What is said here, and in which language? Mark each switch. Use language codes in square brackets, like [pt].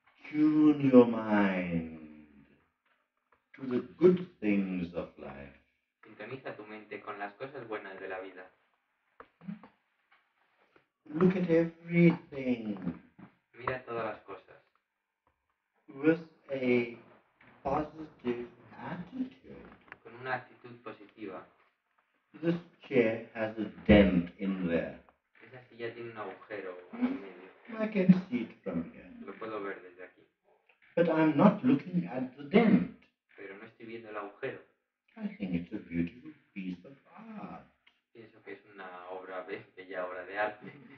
[en] Tune your mind to the good things of life. [es] Sintoniza tu mente con las cosas buenas de la vida. [en] Look at everything. [es] Mira todas las cosas. [en] With a positive attitude. [es] Con una actitud positiva. [en] This chair has a dent in there. [es] Esa silla tiene un agujero en el medio. [en] I can see it from here. [es] Lo puedo ver desde aquí. [en] But I'm not looking at the dent. [es] Pero no estoy viendo el agujero. [en] I think it's a beautiful piece of art. [es] Pienso que es una obra bella, obra de arte.